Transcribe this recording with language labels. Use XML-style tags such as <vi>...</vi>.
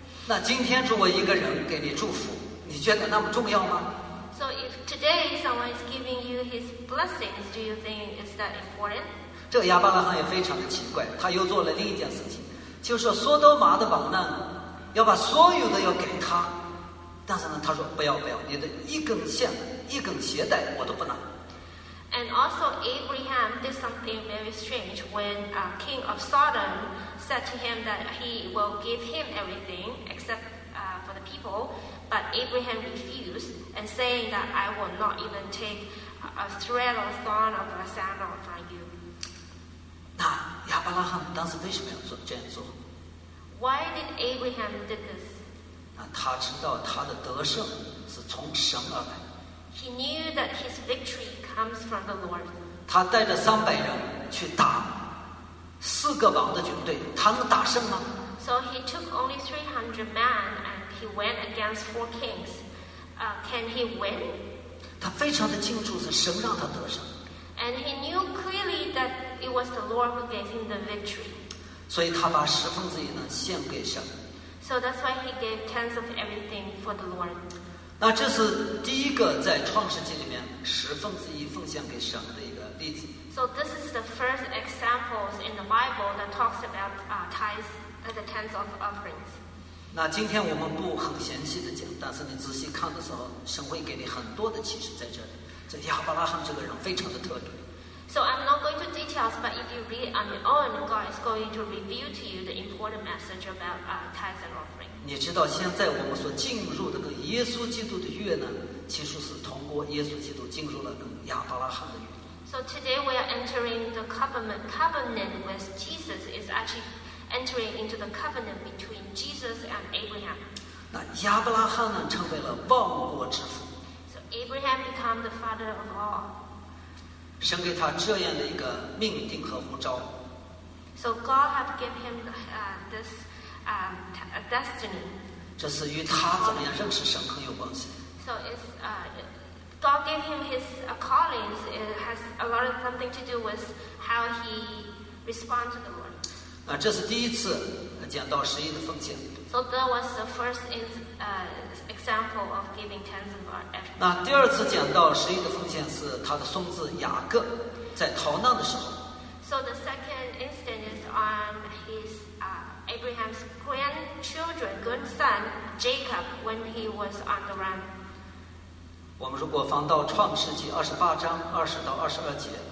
<zh>那今天作为一个人给你祝福，你觉得那么重要吗？</zh> <en>So if today someone is giving you his blessings, do you think is that important?</en> <zh>这个亚伯拉罕也非常的奇怪，他又做了另一件事情，就是说索多玛的榜呢，要把所有的要给他，但是呢，他说不要不要，你的一根线一根鞋带我都不拿。</zh> <en>And also Abraham did something very strange when King of Sodom said to him that he will give him everything except for the people, but Abraham refused and saying that I will not even take a thread or thorn of a sandal from you.</en> <zh>那亚伯拉罕当时为什么要做这样做？</zh> <en>Why did Abraham do this?</en> <zh>那他知道他的得胜是从神而来。</zh> <en>He knew that his victory comes from the Lord.</en> <zh>他带着三百人去打四个王的军队，他能打胜吗？</zh> <en>So he took only 300 men and he went against four kings. Can he win?</en> <zh>他非常的清楚是神让他得胜。</zh> <en>And he knew clearly that it was the Lord who gave him the victory.</en> <zh>所以他把十分之一呢献给神。</zh> <en>So that's why he gave tens of everything for the Lord.</en> <zh>那这是第一个在创世纪里面十分之一奉献给神的一个例子。</zh> <en>So this is the first example in the Bible that talks about tithes as the tenths of offerings.</en> <zh>那今天我们不很详细的讲，但是你仔细看的时候，神会给你很多的启示在这里。这亚伯拉罕这个人非常的特别。</zh> <en>So I'm not going to details, but if you read on your own, God is going to reveal to you the important message about tithes and offerings.</en> <zh>你知道现在我们所进入的跟耶稣基督的约呢，其实是通过耶稣基督进入了跟亚伯拉罕的约。</zh> <en>So today we are entering the covenant with Jesus. It's actually entering into the covenant between Jesus and Abraham.</en> <zh>那亚伯拉罕呢，成为了万国之父。</zh> <en>So Abraham became the father of all.</en> <zh>神给他这样的一个命定和呼召。</zh> <en>So God have given him this. Destiny.</en> <zh>这是与他怎么样认识神很有关系。</zh> <en>So it's God gave him his callings. It has a lot of something to do with how he responds to the Lord.</en> <zh>啊，这是第一次讲到十一的奉献。</zh> <en>So that was the first example of giving tens of our effort.</en> <zh>那第二次讲到十一的奉献是他的孙子雅各在逃难的时候。</zh> <en>So the second instance is on his Abraham's grandchildren, grandson Jacob, when he was on the run.</en> <zh>我们如果翻到创世纪二十八章二十到二十二节。</zh>